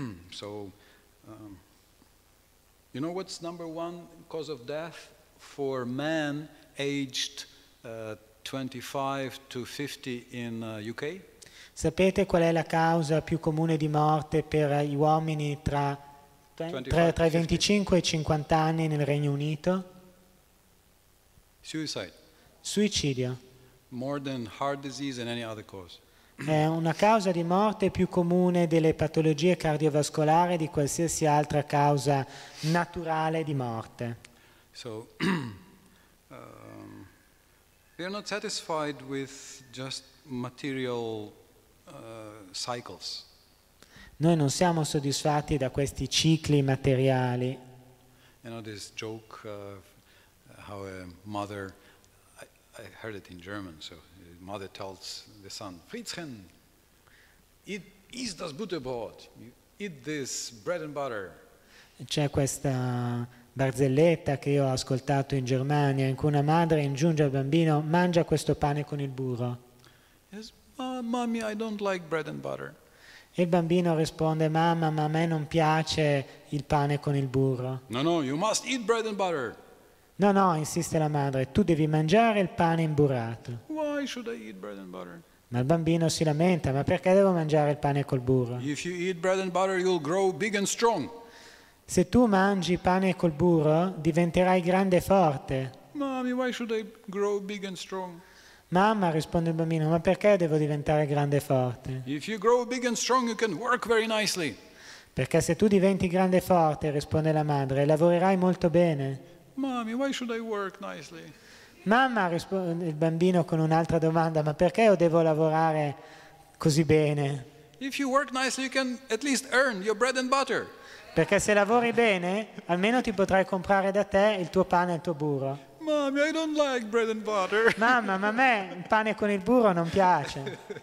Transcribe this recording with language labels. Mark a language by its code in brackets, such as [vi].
[en] So, you know what's number one cause of death for men aged 25 to 50 in UK? [it] Sapete qual è la causa più comune di morte per gli uomini tra i 25 e i 50 anni nel Regno Unito? [en] Suicide. [it] Suicidio. [en] More than heart disease and any other cause. [it] È una causa di morte più comune delle patologie cardiovascolari e di qualsiasi altra causa naturale di morte. [en] So we are not satisfied with just material cycles. [it] Noi non siamo soddisfatti da questi cicli materiali. [en] You know this joke how a mother, I heard it in German, so mother tells the son, Fritzchen, eat [de] das Butterbrot, [en] eat this bread and butter. [it] C'è questa barzelletta che io ho ascoltato in Germania, in cui una madre ingiunge al bambino, mangia questo pane con il burro. [en] Yes, mommy, I don't like bread and butter. [it] E il bambino risponde, mamma, ma a me non piace il pane con il burro. [en] No, you must eat bread and butter. [it] No, insiste la madre, tu devi mangiare il pane imburrato. [en] Why should I eat bread and butter? [it] Ma il bambino si lamenta, ma perché devo mangiare il pane col burro? [en] If you eat bread and butter, you'll grow big and strong. [it] Se tu mangi pane col burro, diventerai grande e forte. [en] Mommy, why should I grow big and strong? [it] Mamma, risponde il bambino, ma perché devo diventare grande e forte? [en] If you grow big and strong, you can work very nicely. [it] Perché se tu diventi grande e forte, risponde la madre, lavorerai molto bene. [en] Mommy, why should I work nicely? [it] Mamma, risponde il bambino con un'altra domanda, ma perché io devo lavorare così bene? [en] If you work nicely, you can at least earn your bread and butter. [it] Perché se lavori bene, almeno ti potrai comprare da te il tuo pane e il tuo burro. [en] Mommy, I don't like bread and butter. [it] Mamma, ma a me il pane con il burro non piace.